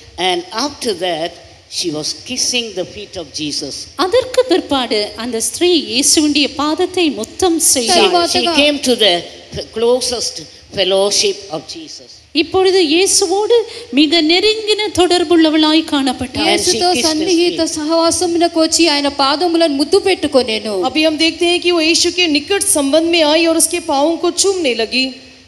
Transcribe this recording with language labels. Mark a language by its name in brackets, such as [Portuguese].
[English] And after that she was kissing the feet of Jesus. [Tamil] அதற்கு பிற்பாடு அந்த ஸ்திரீ இயேசுவின் பாதத்தை முத்தம் செய்தாள். [English] She came to the closest fellowship of Jesus. [Tamil] இப்பொழுது இயேசுவோடு மிக நெருங்கின தொடர்புள்ளவளாய் காணப்பட்டாள்.